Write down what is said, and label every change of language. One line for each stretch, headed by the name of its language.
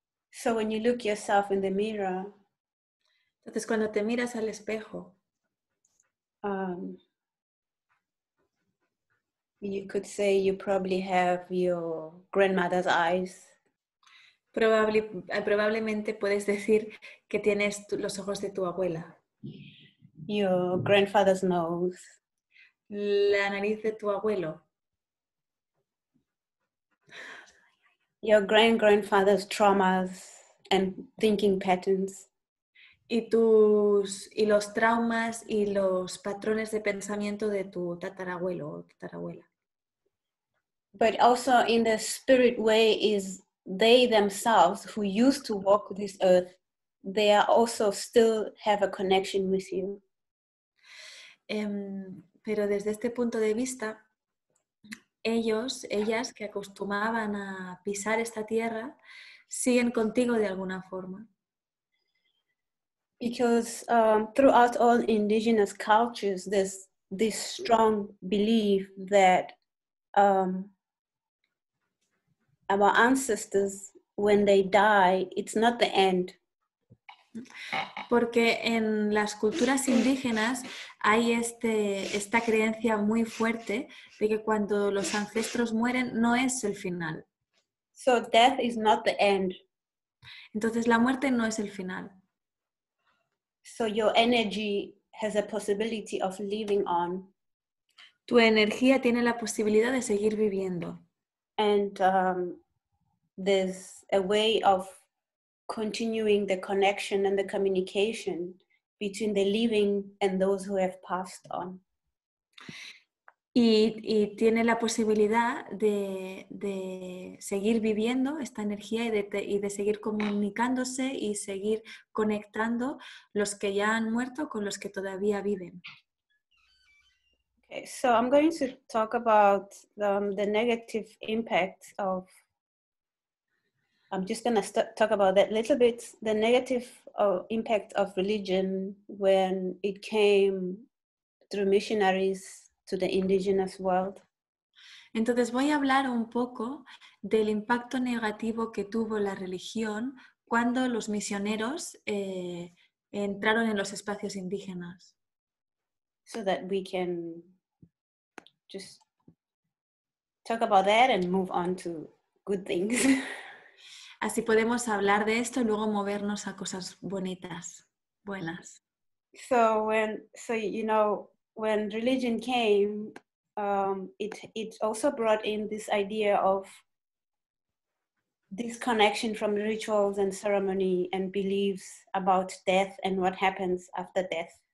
English: So when you look yourself in the mirror,
Spanish: entonces cuando te miras al espejo,
English: you could say you probably have your grandmother's eyes.
Spanish: Probablemente puedes decir que tienes los ojos de tu abuela.
English: Your grandfather's nose.
Spanish: La nariz de tu abuelo.
English: Your great-grandfather's traumas and thinking patterns.
Spanish: Y los traumas y los patrones de pensamiento de tu tatarabuelo o tatarabuela.
English: But also in the spirit way is they themselves who used to walk this earth, they are also still have a connection with you.
Spanish: Pero desde este punto de vista, ellos, ellas que acostumbraban a pisar esta tierra, siguen contigo de alguna forma.
English: Because throughout all indigenous cultures, there's this strong belief that our ancestors, when they die, it's not the end.
Spanish: Porque en las culturas indígenas hay esta creencia muy fuerte de que cuando los ancestros mueren no es el final.
English: So death is not the end.
Spanish: Entonces la muerte no es el final.
English: So your energy has a possibility of living on.
Spanish: Tu energía tiene la posibilidad de seguir viviendo.
English: And there's a way of continuing the connection and the communication between the living and those who have passed on.
Spanish: Y tiene la posibilidad de seguir viviendo esta energía y de seguir comunicándose y seguir conectando los que ya han muerto con los que todavía viven.
English: Okay, so I'm going to talk about the negative impact of I'm just going to talk about that little bit, the negative impact of religion when it came through missionaries to the indigenous world.
Spanish: Entonces voy a hablar un poco del impacto negativo que tuvo la religión cuando los misioneros entraron en los espacios indígenas.
English: So that we can just talk about that and move on to good things.
Spanish: Así podemos hablar de esto y luego movernos a cosas bonitas, buenas.
English: When religion came, it also brought in this idea of this connection from rituals and ceremony and beliefs about death and what happens after death.